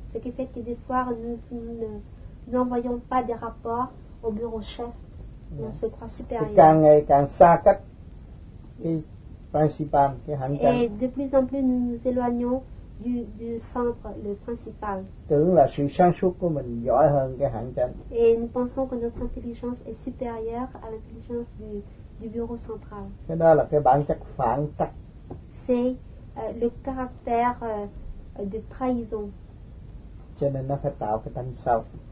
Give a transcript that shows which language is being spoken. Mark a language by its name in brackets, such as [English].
[French] Ce qui fait que des fois nous n'envoyons pas des rapports au bureau chef. Yeah. On se croit supérieur. [Vietnamese] Càng ngày càng xa cách cái principal, cái hành chánh. [French] Et de plus en plus nous nous éloignons du centre, le principal. [Vietnamese] Tưởng là sự sáng suốt của mình giỏi hơn cái hành chánh. [French] Et nous pensons que notre intelligence est supérieure à l'intelligence du bureau central. [Vietnamese] Cái đó là cái bản chất phản tắc. [French] C'est le caractère de trahison. [Vietnamese] Cho nên nó phải tạo cái tánh xấu.